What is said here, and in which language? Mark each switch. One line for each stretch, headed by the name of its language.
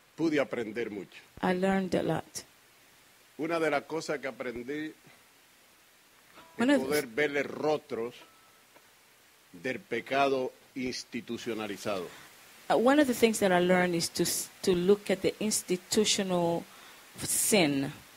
Spanish: Pude aprender mucho.
English: I learned a lot.
Spanish: Una de las cosas que aprendí es poder ver los rostros del pecado institucionalizado.
English: One of the things that I learned is to look at the institutional sin.